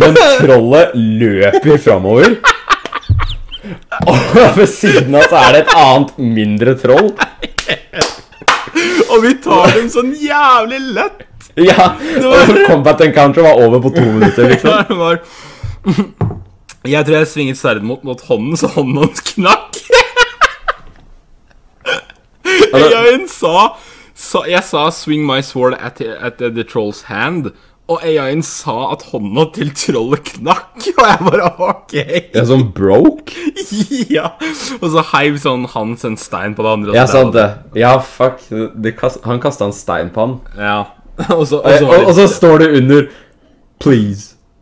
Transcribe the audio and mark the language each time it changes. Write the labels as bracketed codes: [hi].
[no] Men trollet løper framover. Og ved siden av så er det et annet mindre troll. Og vi tar dem sånn jævlig lett. Ja, og så combat encounter var over på 2 minutter liksom. Jeg tror jeg svinget sverdet mot hånden, så hånden hans knakk. [en] AI-en sa swing my sword at the troll's hand. [no] Og AI-en sa at hånden til trollet knakk. Og jeg bare, ok. Det er sånn broke. Ja, og så heiv sånn hans en stein på det andre. Ja, sant det. Ja, fuck, han kastet en stein på han. Ja. Og så står det under please.